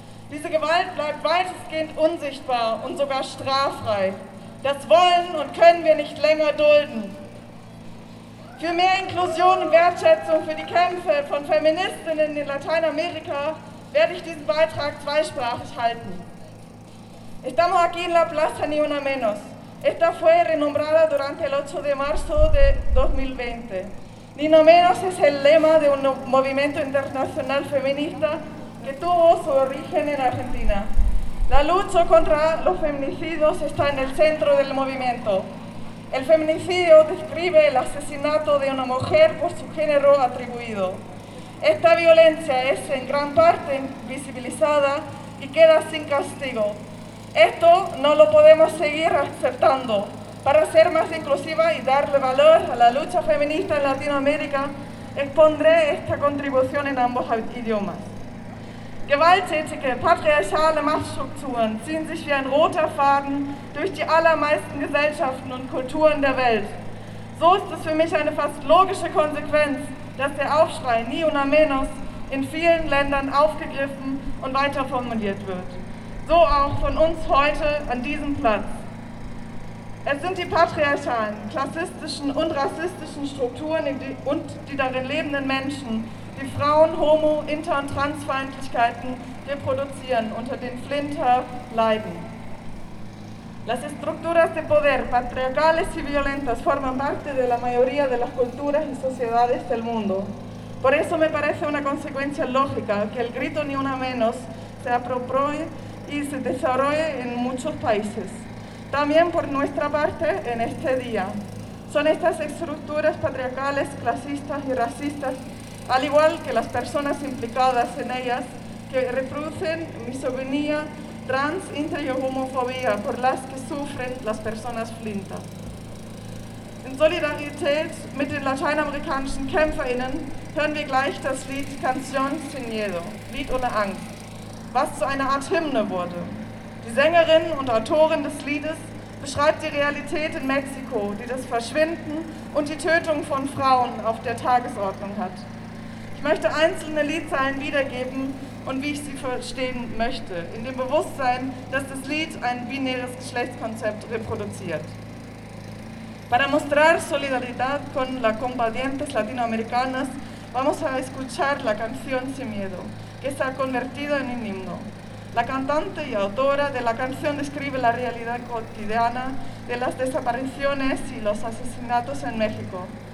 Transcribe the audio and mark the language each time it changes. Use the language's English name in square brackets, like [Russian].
[German] Diese Gewalt bleibt weitestgehend unsichtbar und sogar straffrei. Das wollen und können wir nicht länger dulden. Für mehr Inklusion und Wertschätzung für die Kämpfe von Feministinnen in Lateinamerika werde ich diesen Beitrag zweisprachig halten. [Spanish] Estamos aquí en la Plaza Ni Una Menos. Esta fue renombrada durante el 8 de marzo de 2020. Ni Una Menos es el lema de un movimiento internacional feminista que tuvo su origen en Argentina. La lucha contra los feminicidios está en el centro del movimiento. El feminicidio describe el asesinato de una mujer por su género atribuido. Esta violencia es en gran parte invisibilizada y queda sin castigo. Esto no lo podemos seguir aceptando. Para ser más inclusiva y darle valor a la lucha feminista en Latinoamérica, expondré esta contribución en ambos idiomas. [German] Gewalttätige, patriarchale Machtstrukturen ziehen sich wie ein roter Faden durch die allermeisten Gesellschaften und Kulturen der Welt. So ist es für mich eine fast logische Konsequenz, dass der Aufschrei Ni Una Menos in vielen Ländern aufgegriffen und weiterformuliert wird. So auch von uns heute an diesem Platz. Es sind die patriarchalen, klassistischen und rassistischen Strukturen und die darin lebenden Menschen, die Frauen, Homo-, Inter- und Transfeindlichkeiten reproduzieren, unter den Flinter leiden. [Spanish] Las estructuras de poder patriarcales y violentas forman parte de la mayoría de las culturas y sociedades del mundo. Por eso me parece una consecuencia lógica que el grito Ni Una Menos se apropie y se desarrolle en muchos países. También por nuestra parte en este día. Son estas estructuras patriarcales, clasistas y racistas, al igual que las personas implicadas en ellas, que reproducen misoginia, trans, inter y homofobia, por las que sufren las personas flinta. En solidaridad con los latinoamericanos [German] kämpferinnen, hören wir gleich das Lied Canción sin Miedo, Lied ohne Angst, was zu einer Art Hymne wurde. Die Sängerin und Autorin des Liedes beschreibt die Realität in Mexiko, die das Verschwinden und die Tötung von Frauen auf der Tagesordnung hat. Ich möchte einzelne Liedzeilen wiedergeben und wie ich sie verstehen möchte, in dem Bewusstsein, dass das Lied ein binäres Geschlechtskonzept reproduziert. [Spanish] Para mostrar solidaridad con las combatientes latinoamericanas, vamos a escuchar la canción Sin Miedo, que se ha convertido en un himno. La cantante y autora de la canción describe la realidad cotidiana de las desapariciones y los asesinatos en México.